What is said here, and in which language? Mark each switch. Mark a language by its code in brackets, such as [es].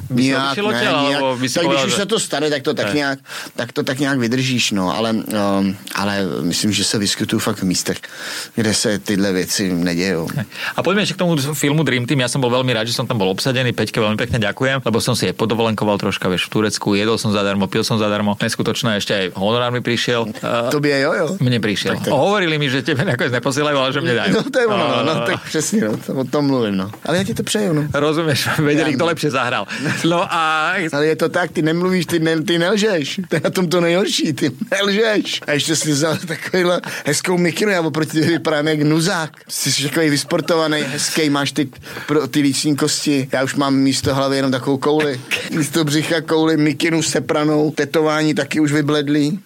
[cs] Když už se to stane, tak to tak, nějak, tak to tak nějak vydržíš, no. Ale myslím, že se vyskytuju fakt v místech, kde se tyhle věci nedějou. A pojďme ještě k tomu filmu Dream Team. Já jsem byl velmi rád, že jsem tam byl obsadený. [sk] Peťke, velmi pekne ďakujem, lebo som si aj podovolenkoval troška, vieš, v Turecku, jedol som zadarmo, pil som zadarmo. Neskutočné, ešte aj honorár mi prišiel. Tobie aj jojo? Mne prišiel. Tak. Hovorili mi, že tebe nakoniec neposielajú, ale že mne dajú. No to je ono, no tak presne, no, to, o tom mluvím, no. Ale ja ti to prejú, no. Rozumieš, vedeli, kto lepšie zahral. [cs] No a... Ale je to tak, ty nemluvíš, ty nelžeš. To je na tom to nejhorší, ty nelžeš. A ešte si vzal takovýhle hezkou mikinu, ja oproti tebe vypadám jak nuzák. Jsi takový vysportovaný, hezký, máš ty líční kosti. Já už mám místo hlavy jenom takovou kouli. Místo břicha kouli, mikinu sepranou, tetování taky už vybledlý.